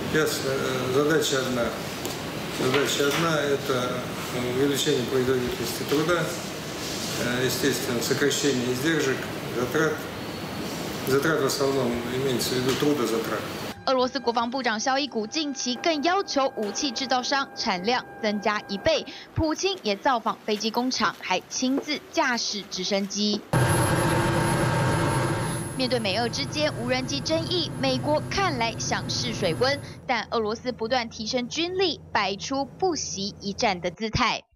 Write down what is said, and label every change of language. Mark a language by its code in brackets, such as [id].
[ru] Yes, задача одна. Задача одна это увеличение производительности труда, естественно сокращение издержек, затрат в основном имеется в виду трудозатрат. [zh] 俄罗斯国防部长肖伊古近期更要求武器制造商产量增加一倍，普京也造访飞机工厂，还亲自驾驶直升机。面对美俄之间无人机争议，美国看来想试水温，但俄罗斯不断提升军力，摆出不惜一战的姿态。